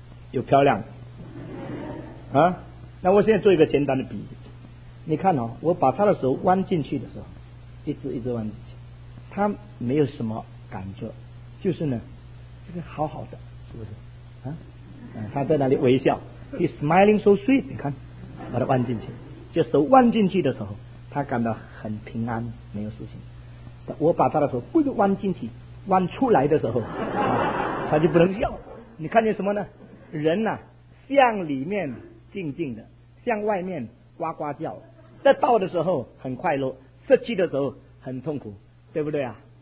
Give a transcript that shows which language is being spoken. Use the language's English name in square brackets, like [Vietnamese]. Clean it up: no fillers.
[Chinese] 有漂亮啊？那我现在做一个简单的比喻，你看哦，我把他的手弯进去的时候，一直一直弯进去，他没有什么感觉，就是呢，这个好好的，是不是啊？他在那里微笑 ， [English] he's smiling so sweet。 [Chinese] 你看，把他弯进去，这手弯进去的时候，他感到很平安，没有事情。我把他的手不是弯进去，弯出来的时候，他就不能笑。你看见什么呢？人呐、啊，向里面静静的，向外面呱呱叫，得到的时候很快乐，失去的时候很痛苦，对不对啊？